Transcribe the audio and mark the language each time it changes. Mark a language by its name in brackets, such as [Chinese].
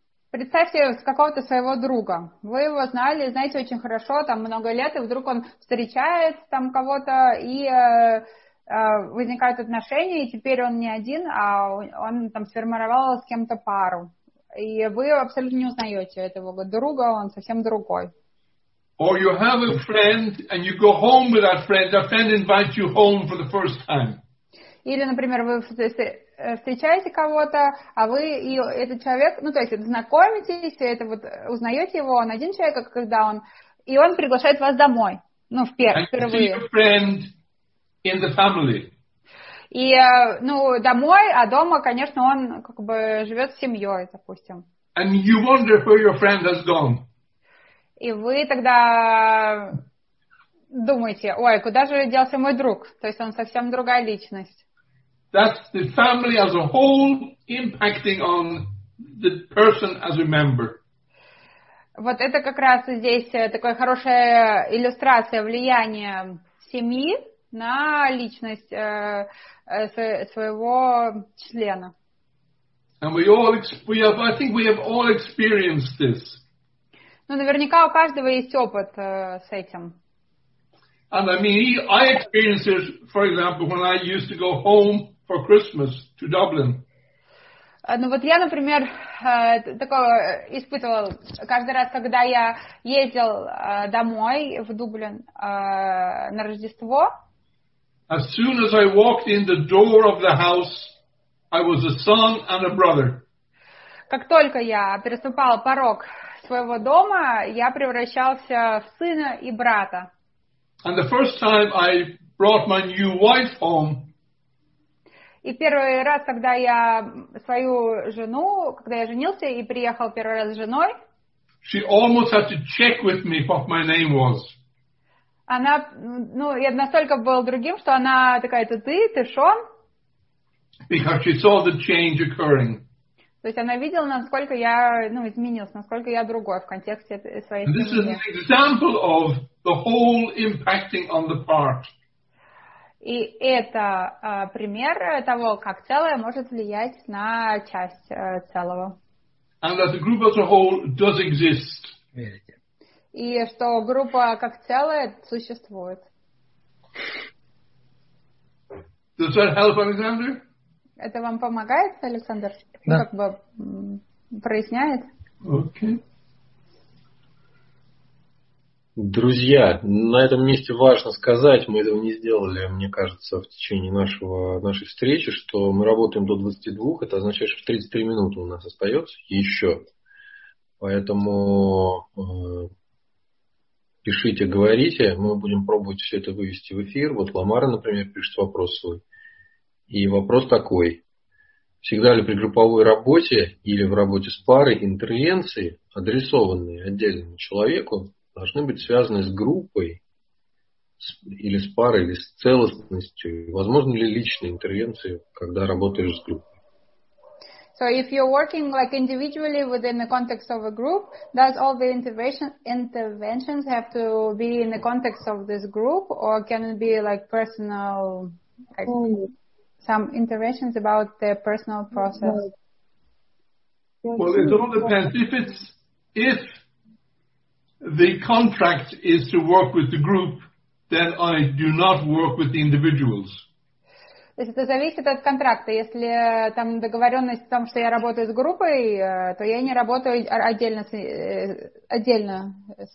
[Russian] Представьте какого-то своего друга. Вы его знали, знаете очень хорошо, там много лет, и вдруг он встречает там кого-то, и возникают отношения, и теперь он не один, а он там сформировал с кем-то пару, и вы абсолютно не узнаете этого друга, он совсем другой. [English] Or you have a friend and you go home with that friend invites you home for the first time. [Russian] Или, например, вы встречаете кого-то, а вы и этот человек, ну, то есть знакомитесь, это вот узнаете его, он один человек, когда он, и он приглашает вас домой, ну, впервые. [English] And you see a friend in the family. [Russian] И, ну, домой, а дома, конечно, он как бы живет с семьей, допустим. [English] And you wonder where your friend has gone. [Russian] И вы тогда думаете, ой, куда же делся мой друг? То есть он совсем другая личность. [English] That's the family as a whole impacting on the person as a member. [Russian] Вот это как раз здесь такая хорошая иллюстрация влияния семьи на личность своего члена. [English] And I think we have all experienced this. [Russian] Ну, наверняка у каждого есть опыт с этим. [English] And I mean, I experienced it, for example, when I used to go home for Christmas to Dublin. [Russian] Ну, вот я, например, такое испытывал каждый раз, когда я ездил домой в Дублин на Рождество. [English] As soon as I walked in the door of the house, I was a son and a brother. [Russian] Как только я переступал порог своего дома, я превращался в сына и брата. [English] And the first time I brought my new wife home. [Russian] И первый раз, когда я свою жену, когда я женился и приехал первый раз с женой, [English] she almost had to check with me what my name was. [Russian] Она, ну, я настолько был другим, что она такая, это ты Шон? [English] Because she saw the change occurring. [Russian] То есть она видела, насколько я, ну, изменился, насколько я другой в контексте своей семьи. [English] This is an example of the whole impacting on the part. [Russian] И это пример того, как целое может влиять на часть целого. [English] And that the group as a whole does exist. [Russian] И что группа как целое существует. [English] Does that help, Alexander? [Russian] Это вам помогает, Александр? Да. Как бы проясняет? [English] Okay. [Russian] Друзья, на этом месте важно сказать, мы этого не сделали, мне кажется, в течение нашей встречи, что мы работаем до 22, это означает, что 33 минуты у нас остается еще. Поэтому пишите, говорите, мы будем пробовать все это вывести в эфир. Вот Ламара, например, пишет вопрос свой. И вопрос такой. Всегда ли при групповой работе или в работе с парой интервенции, адресованные отдельному человеку, должны быть связаны с группой или с парой, или с целостностью? Возможно ли личные интервенции, когда работаешь с группой? [English] So if you're working like individually within the context of a group, does all the interventions have to be in the context of this group, or can it be like personal? Like, some interventions about the personal process. Well, it all depends. If the contract is to work with the group, then I do not work with the individuals. [Russian] То есть это зависит от контракта. Если там договоренность в том, что я работаю с группой, то я не работаю отдельно с